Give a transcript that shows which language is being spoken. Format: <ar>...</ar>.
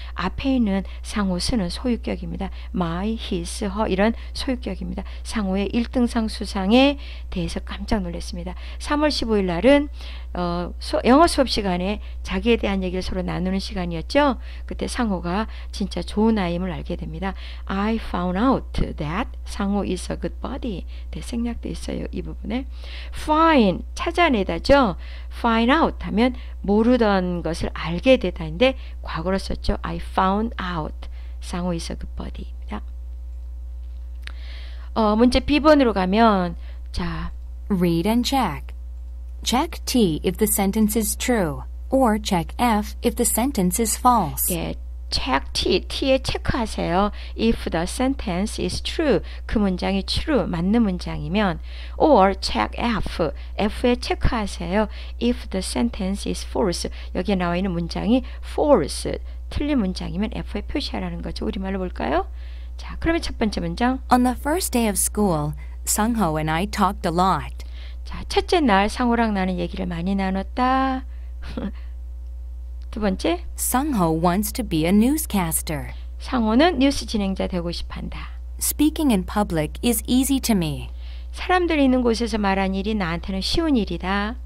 <ko>앞에 있는 상호스는 소유격입니다. my, his, her 이런 소유격입니다. 상호의 1등상 수상에 대해서 깜짝 놀랐습니다. 3월 15일 날은 영어 수업 시간에 자기에 대한 얘기를 서로 나누는 시간이었죠. 그때 상호가 진짜 좋은 아이임을 알게 됩니다.</ko> <en>I found out that 상호 is a good buddy.</en> <ko>네, 생략되어 있어요. 이 부분에 find 찾아내다죠. find out 하면 모르던 것을 알게 되다인데 과거로 썼죠.</ko> <en>I found out 상호 is a good buddy입니다.</en> <ko>문제 B번으로 가면 자</ko> <en>read and check. Check T if the sentence is true, or check F if the sentence is false. 예, check T,</en> <ko>T에 체크하세요.</ko> <en>If the sentence is true,</en> <ko>그 문장이</ko> <en>true,</en> <ko>맞는 문장이면</ko> <en>or check F,</en> <ko>F에 체크하세요.</ko> <en>If the sentence is false,</en> <ko>여기에 나와 있는 문장이 false, 틀린 문장이면 F에 표시하라는 거죠. 우리말로 볼까요? 자, 그러면 첫 번째 문장.</ko> <en>On the first day of school, Sungho and I talked a lot.</en> <ko>자, 첫째 날 상호랑 나는 얘기를 많이 나눴다. 두 번째,</ko> <en>Sungho wants to be a newscaster.</en> <ko>상호는 뉴스 진행자 되고 싶한다.</ko> <en>Speaking in public is easy to me.</en> <ko>사람들 있는 곳에서 말한 일이 나한테는 쉬운 일이다.</ko>